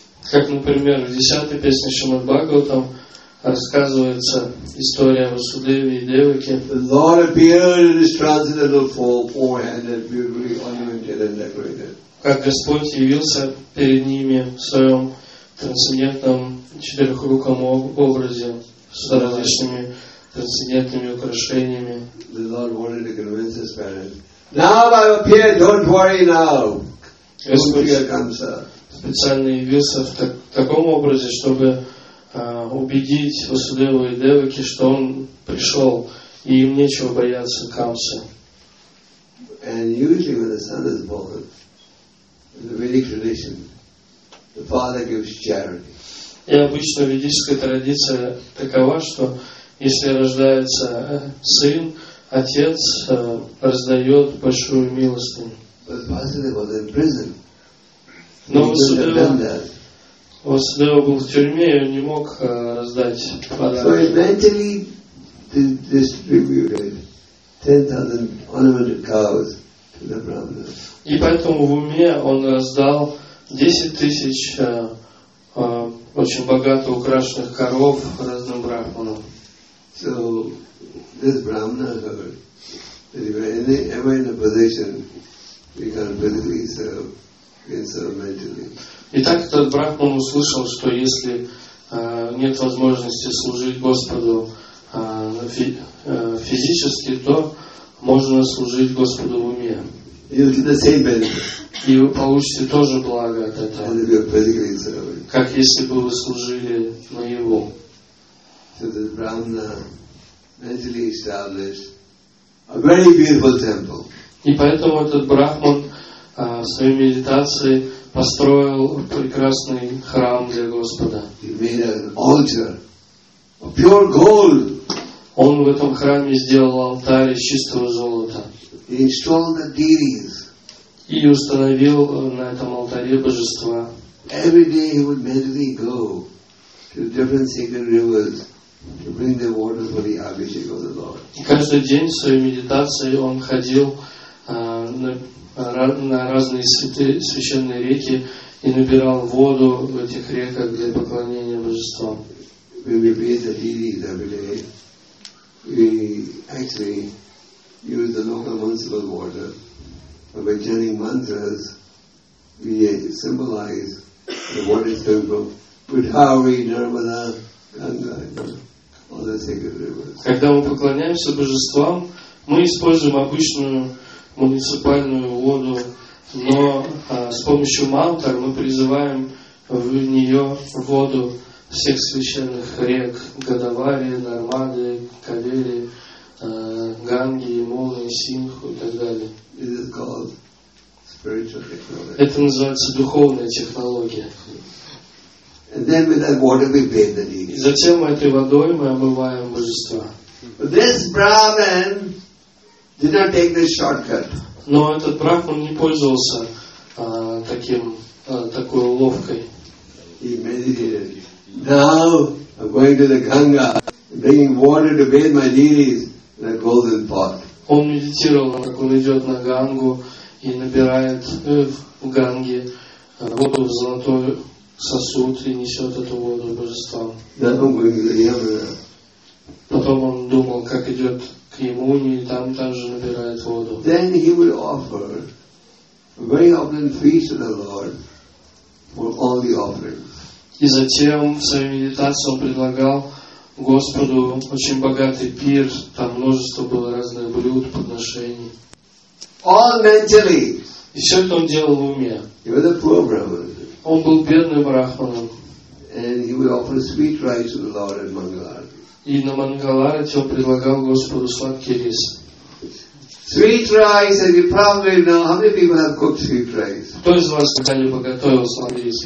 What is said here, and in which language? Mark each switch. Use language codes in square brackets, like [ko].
[ru] Как, например, в 10-й песне Шримад Бхагаватам рассказывается история о Васудеве и Деваке. [en] The Lord appeared in His transcendental form, four-handed, beautifully ornamented and decorated. [ru] Как Господь явился перед ними в своем трансцендентном четырехруком образе с различными трансцендентными украшениями. [en] The Lord wanted to convince his parents. Now I appear, don't worry now. [ru] Господь специально явился в таком образе, чтобы убедить Васудеву и Деваки, что он пришел, и им нечего бояться Камсы. [en] And usually when the son is born, in the Vedic tradition, the father gives charity. [ru] И обычно ведическая традиция такова, что если рождается сын, отец раздает большую милостыню. Но Васудева был в тюрьме, и он не мог раздать подарки. [en] So he mentally distributed 10,000 ornamented cows to the Brahmins. [ru] И поэтому в уме он раздал 10,000 очень богато украшенных коров разным брахманам. [en] So this brahmana heard that if you are in a position, you can physically serve, can serve mentally. [ru] Итак, этот брахман услышал, что если нет возможности служить Господу физически, то можно служить Господу в уме. [en] You'll get the same benefit. [ru] И вы получите тоже благо от этого, как если бы вы служили наяву. [en] So the Brahmana mentally established a very beautiful temple. [ru] И поэтому этот брахман в своей медитации построил прекрасный храм для Господа. [en] He made an altar of pure gold. [ru] Он в этом храме сделал алтарь из чистого золота. [en] He installed the deities. [ru] И установил на этом алтаре божества. [en] Every day he would mentally go to different sacred rivers to bring the water for the Abhishek of the Lord. [ru] И каждый день в своей медитации он ходил на разные святые, священные реки и набирал воду в этих реках для поклонения божествам. [en] When we pray the deities every day, we actually use the local municipal water. And by chanting mantras, we symbolize the water coming from Pudhari, Narmada, Ganga, all the sacred rivers. [ru] Когда мы поклоняемся божествам, мы используем обычную муниципальную воду, но с помощью мантр мы призываем в нее воду всех священных рек Годавари, Нармады, Кавери, Ганги, Ямуны, Симху и так далее. [en] It is called spiritual technology. [ru] Это называется духовная технология. [en] And then with that water we bathe the deity. [ru] Затем этой водой мы омываем божества. [en] This Brahman did not take this shortcut. [ru] Но этот брахман не пользовался такой уловкой. [en] He meditated. Now I'm going to the Ganga, bringing water to bathe my deities in a golden pot. [ru] Он медитировал, как он идет на Гангу и набирает в Ганге воду в золотой сосуд и несет эту воду божествам. [en] Then I'm going to the Yamuna. [ru] Потом он думал, как идет к Ямуне и там также набирает воду. [en] Then he would offer a very often feast to the Lord for all the offerings. [ru] И затем в своей медитации он предлагал Господу очень богатый пир, там множество было разных блюд, подношений. [en] All mentally. [ru] И все это он делал в уме. [en] He was a poor brahman. [ru] Он был бедным брахманом. [en] And he would offer sweet rice to the Lord in Mangalarati. [ru] И на Мангаларате он предлагал Господу сладкий рис. [en] Sweet rice, and you probably know how many people have cooked sweet rice. [ru] Кто из вас когда-либо готовил сладкий рис?